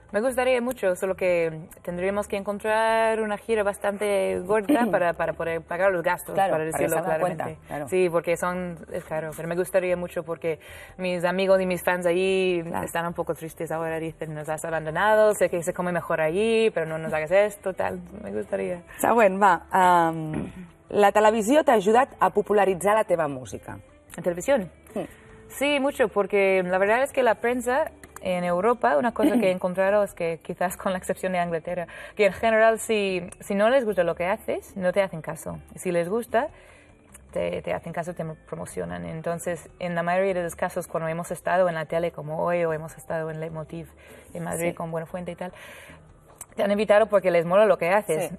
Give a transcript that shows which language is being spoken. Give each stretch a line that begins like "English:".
Spanish: Me gustaría mucho, solo que tendríamos que encontrar una gira bastante gorda para poder pagar los gastos, claro, para decirlo para claramente. Cuenta, claro. Sí, porque es caro, pero me gustaría mucho porque mis amigos y mis fans ahí, claro, están un poco tristes ahora, dicen, nos has abandonado, sé que se come mejor allí, pero no nos hagas esto, tal, me gustaría. Está bueno, va.
Catalan: La televisió t'ha ajudat a popularitzar la teva música. ¿La televisió?
Spanish: Sí, mucho, porque la verdad es que la prensa en Europa, una cosa que he encontrado es que quizás con la excepción de Inglaterra, que en general si no les gusta lo que haces, no te hacen caso. Si les gusta, te hacen caso, te promocionan. Entonces, en la mayoría de los casos, cuando hemos estado en la tele, como hoy, o hemos estado en Leitmotiv, en Madrid, sí, con Buenafuente y tal, te han invitado porque les mola lo que haces. Sí.